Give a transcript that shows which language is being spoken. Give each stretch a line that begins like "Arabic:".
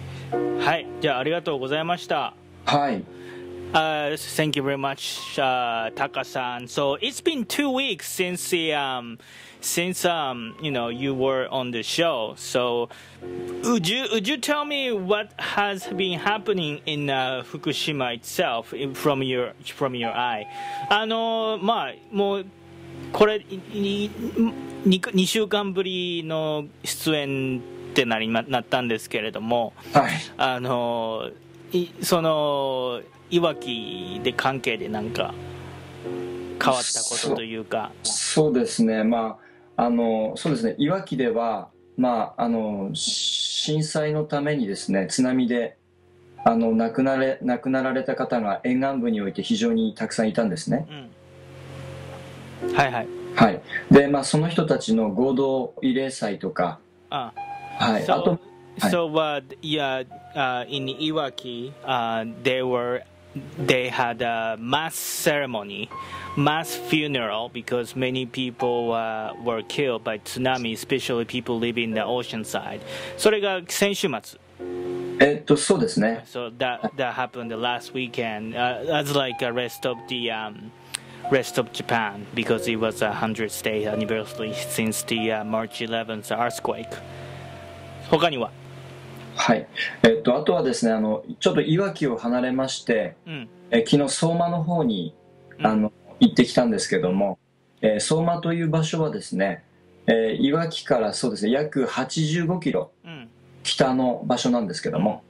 Japanese: はい、じゃあありがとうございました。はい。
English: Thank you very much, Taka-san. So it's been 2 weeks since you know you were on the show. So would you tell me what has been happening in Fukushima itself from your eye?
Japanese: まあもうこれ2週間ぶりの出演。ってなったんですけれども、はい、そのいわきで関係で何か変わったことというか、そうですね、まあそうですね、いわきではまあ、震災のためにですね、津波で亡くなられた方が沿岸部において非常にたくさんいたんですね。うん、はいはい。はい。で、まあ、その人たちの合同慰霊祭とか、はい。
English: So,
Japanese: あと、
English: So, what, yeah, in Iwaki, they had a mass ceremony, mass funeral, because many people were killed by tsunami, especially people living in the ocean side.
Japanese: それが先週末。そうですね。
English: So that happened last weekend, as like a rest of the rest of Japan, because it was a 100th day anniversary since the March 11th earthquake.
Japanese: 他には。はい、あとはですね、ちょっといわきを離れまして、うん、昨日相馬の方に行ってきたんですけども、相馬という場所はですね、いわきからそうですね、約85キロ北の場所なんですけども、